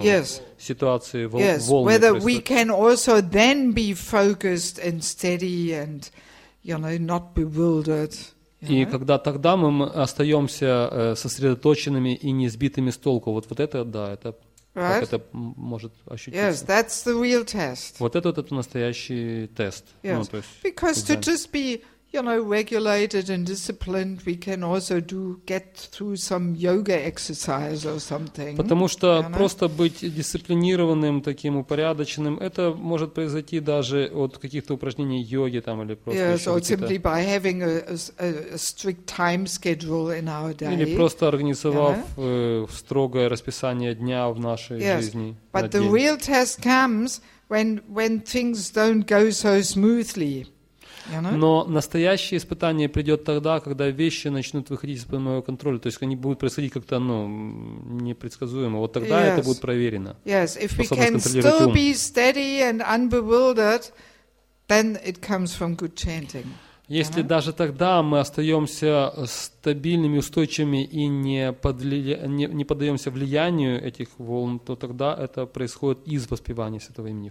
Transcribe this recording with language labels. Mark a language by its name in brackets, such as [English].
[English] yes. [Russian] ситуации, волны yes. происходят. [English] Whether we can also then be focused and steady and, you know, not bewildered. [Russian] И когда тогда мы остаемся сосредоточенными и не сбитыми с толку. Вот, вот это, да, это... [English] Right? [Russian] Как это может ощутиться? [English] Yes, that's the real test. [Russian] Вот это вот это настоящий тест. [English] Yes. [Russian] Ну, то есть, [English] because to just be, you know, regulated and disciplined, we can also do get through some yoga exercise or something. [Russian] Потому что просто быть дисциплинированным, таким упорядоченным, это может произойти даже от каких-то упражнений йоги там или просто [English] yes, or simply by having a strict time schedule in our day. [Russian] Или просто организовав строгое расписание дня в нашей [English] yes. [Russian] жизни. [English] But the real test comes when things don't go so smoothly. [Russian] Но настоящее испытание придет тогда, когда вещи начнут выходить из-под моего контроля. То есть они будут происходить как-то, ну, непредсказуемо. Вот тогда [English] yes. [Russian] это будет проверено. [English] Yes, if we can still be steady and unbewildered, then it comes from good chanting. [Russian] Если uh-huh. даже тогда мы остаемся стабильными, устойчивыми и не поддаемся влиянию этих волн, то тогда это происходит из воспевания святого имени.